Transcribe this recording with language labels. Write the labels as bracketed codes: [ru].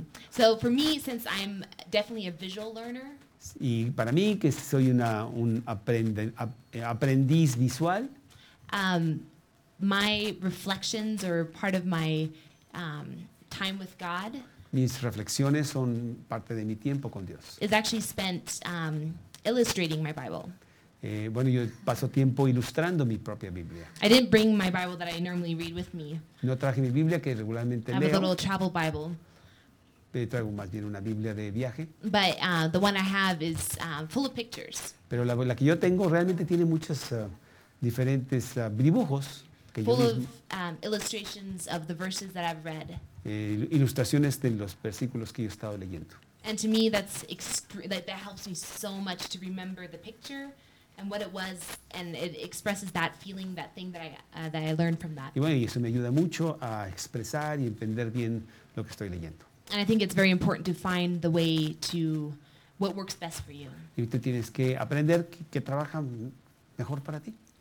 [en] So for me, since I'm definitely a visual learner, [es] y para mí que soy un aprendiz visual, [en] my reflections are part of my time with God. [es] Mis reflexiones son parte de mi tiempo con Dios. [en] Is actually spent illustrating my Bible. [es] Bueno, yo paso tiempo ilustrando mi propia Biblia. [en] I didn't bring my Bible that I normally read with me. [es] No traje mi Biblia que regularmente leo. [en] I have a little travel Bible. [es] Traigo más bien una Biblia de viaje. [en] But the one I have is full of pictures. [es] Pero la que yo tengo realmente tiene muchos diferentes dibujos. Que [en] full [es] yo [en] of illustrations of the verses that I've read. [es] Ilustraciones de los versículos que yo he estado leyendo. [en] And to me that's that helps me so much to remember the picture. And what it was, and it expresses that feeling, that thing that I learned from that. [es] Y bueno, y eso me ayuda mucho a expresar y entender bien lo que estoy leyendo. [en] And I think it's very important to find the way to what works best for you. [es] Y tú tienes que aprender qué trabaja mejor para ti.